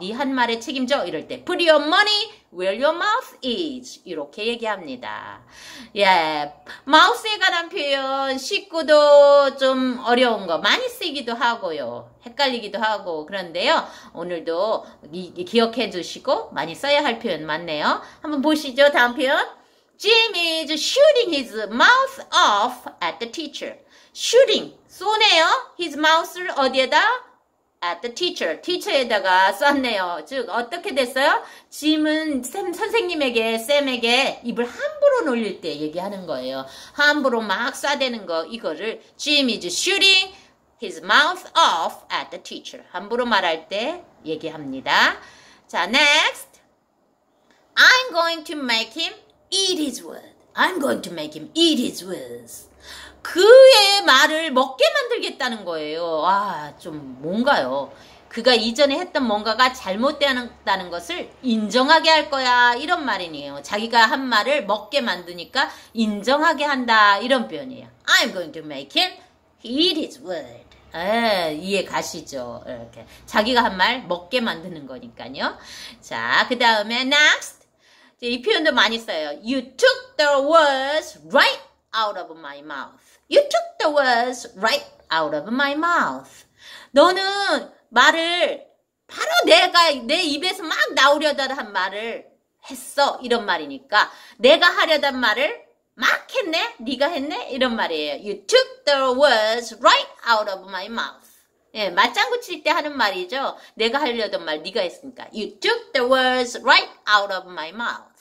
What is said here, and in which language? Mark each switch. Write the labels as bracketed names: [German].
[Korean] 네 한 말에 책임져. 이럴 때 [English] put your money where your mouth is. [Korean] 이렇게 얘기합니다. 예, 마우스에 관한 표현 쉽고도 좀 어려운 거 많이 쓰이기도 하고요. 헷갈리기도 하고 그런데요. 오늘도 기억해 주시고 많이 써야 할 표현 많네요. 한번 보시죠. 다음 표현. [English] Jim is shooting his mouth off at the teacher. Shooting. [Korean] 쏘네요. [English] His mouth를 [Korean] 어디에다? [English] At the teacher. [Korean] teacher에다가 쐈네요. 즉 어떻게 됐어요? 짐은 쌤에게 입을 함부로 놀릴 때 얘기하는 거예요. 함부로 막 쏴대는 거 이거를 [English] Jim is shooting his mouth off at the teacher. [Korean] 함부로 말할 때 얘기합니다. 자, next. [English] I'm going to make him eat his words. I'm going to make him eat his words. [Korean] 그의 말을 먹게 만들겠다는 거예요. 아, 좀 뭔가요. 그가 이전에 했던 뭔가가 잘못되었다는 것을 인정하게 할 거야. 이런 말이네요. 자기가 한 말을 먹게 만드니까 인정하게 한다. 이런 표현이에요. [English] I'm going to make him eat his word. [Korean] 에, 이해 가시죠. 이렇게 자기가 한 말 먹게 만드는 거니까요. 자, 그 다음에 next. 이제 이 표현도 많이 써요. [English] You took the words right out of my mouth. You took the words right out of my mouth. [Korean] 너는 말을 바로 내가 내 입에서 막 나오려던 한 말을 했어. 이런 말이니까 내가 하려던 말을 막 했네. 네가 했네. 이런 말이에요. [English] You took the words right out of my mouth. [Korean] 예, 맞장구 칠 때 하는 말이죠. 내가 하려던 말 네가 했으니까. [English] You took the words right out of my mouth.